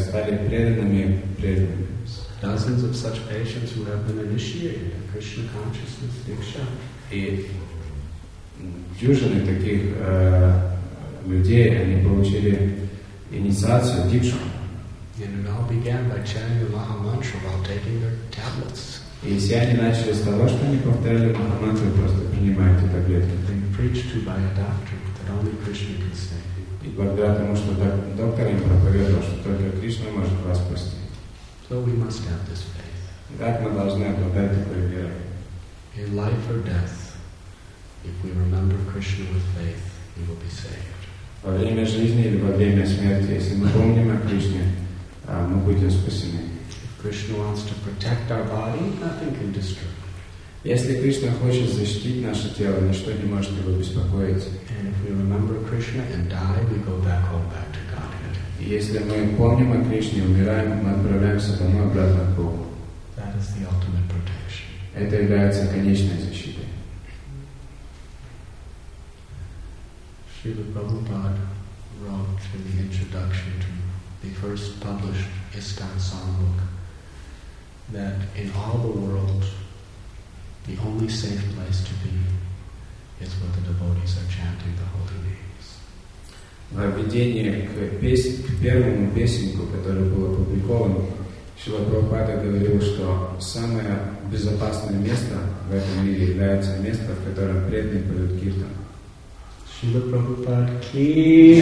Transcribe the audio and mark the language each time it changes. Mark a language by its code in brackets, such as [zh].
[ru] Стали преданными преданными. [en] dozens of such patients who have been initiated in Krishna consciousness diksha. [ru] И дюжины таких людей, они получили инициацию дикшу. [en] And it all began by chanting the Maha Mantra while taking their tablets. [ru] И все они начали с того, что они повторяли Маха Мантру, просто принимая эти таблетки. [en] Being preached to by a doctor that only Krishna can save. [ru] И благодаря тому, что доктор им проповедовал, что только Кришна может вас спасти. [en] So we must have this faith. [ru] Так мы должны обладать такой верой. [en] In life or death, if we remember Krishna with faith, we will be saved. [ru] Во время жизни или во время смерти, если мы помним о Кришне, мы будем спасены. [en] If Krishna wants to protect our body, nothing can disturb it. [ru] Если Кришна хочет защитить наше тело, ничто не может его беспокоить. [en] And if we remember Krishna and die, we go back home, back to Godhead. [ru] И если мы помним о Кришне, умираем, мы отправляемся домой обратно к Богу. [en] That is the ultimate protection. [ru] Это является конечной защитой. [en] Srila Prabhupada wrote in the introduction to the first published ISKCON songbook that in all the world the only safe place to be is where the devotees are chanting the holy names. [ru] В введении к первому песенку, которая была опубликована, Шрила Прабхупада говорил, что самое безопасное место в этом мире является место, в котором преданные поют киртан. Шрила Прабхупада ки.